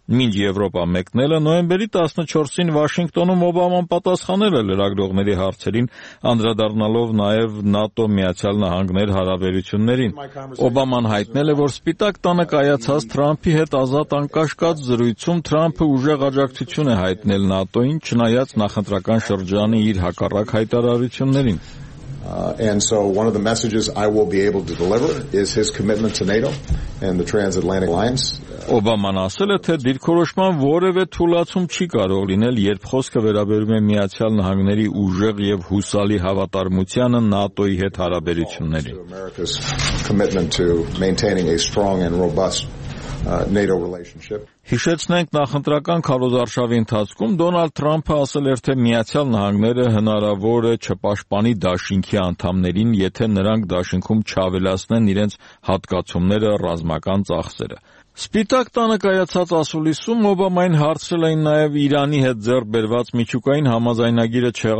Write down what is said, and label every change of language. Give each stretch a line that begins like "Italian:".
Armenian: Մինչ Եվրոպա մեկնելը նոյեմբերի 14-ին Վաշինգտոնում Օբաման պատասխանել է լրագրողների հարցերին, անդրադառնալով նաև ՆԱՏՕ Միացյալ Նահանգներ հարաբերություններին։ Օբաման հայտնել է, որ Սպիտակ տանը կայացած Թրամփի հետ ազատ անկաշկած զրույցում Թրամփը ուժեղ աջակցություն է հայտնել ՆԱՏՕ-ին, չնայած նախընտրական շրջանի իր հակառակ հայտարարություններին։
English: And so one of the messages I will be able to deliver is his commitment to NATO and the transatlantic alliance.
Armenian: Օբաման ասել է, թե դիրքորոշման որևէ թուլացում չի կարող լինել, երբ խոսքը վերաբերում է Միացյալ Նահանգների ուժեղ եւ հուսալի հավատարմությանը ՆԱՏՕ-ի հետ հարաբերություններին։
English: Commitment to maintaining a strong and robust NATO relationship.
Armenian: Հիշեցնենք, նախընտրական քարոզարշավի ընթացքում Դոնալդ Թրամփը ասել էր, թե Միացյալ Նահանգները հնարավոր է չպաշտպանի Դաշինքի անդամներին, եթե նրանք Դաշինքում չավելացնեն իրենց հատկացումները ռազմական ծախսերը։ Սպիտակ տանը կայացած ասուլիսում Օբամային հարցրել էին նաև Իրանի հետ ձեռք բերված միջուկային համաձայնագիրը